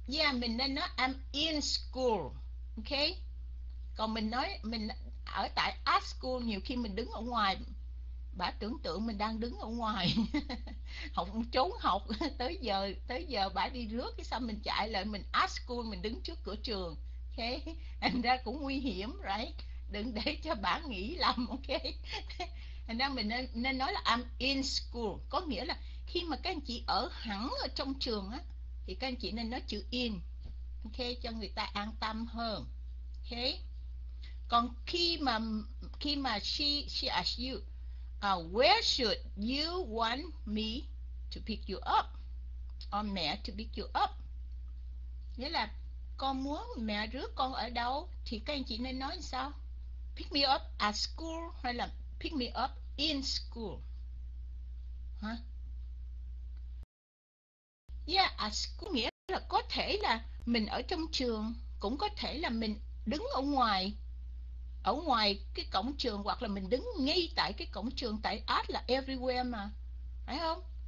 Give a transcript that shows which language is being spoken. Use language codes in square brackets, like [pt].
[vi] Yeah, mình nên nói [en] I'm in school, [vi] ok. Còn mình nói mình ở tại art school, nhiều khi mình đứng ở ngoài, bà tưởng tượng mình đang đứng ở ngoài học, trốn học, tới giờ bà đi rước, cái xong mình chạy lại mình art school, mình đứng trước cửa trường, ok, thành ra cũng nguy hiểm, right? Đừng để cho bà nghĩ lầm, ok. Thành ra mình nên nên nói là [en] I'm in school, [vi] có nghĩa là khi mà các anh chị ở hẳn ở trong trường á, thì các anh chị nên nói chữ in, ok, cho người ta an tâm hơn, ok. Còn khi mà [en] she asks you, where should you want me to pick you up? Or mẹ to pick you up? [vi] Nghĩa là con muốn mẹ rước con ở đâu, thì các anh chị nên nói sao? [en] Pick me up at school [vi] hay là [en] pick me up in school? Hả? [vi] Yeah, at school nghĩa là có thể là mình ở trong trường, cũng có thể là mình đứng ở ngoài, cái cổng trường, hoặc là mình đứng ngay tại cái cổng trường, tại at là everywhere mà, phải không?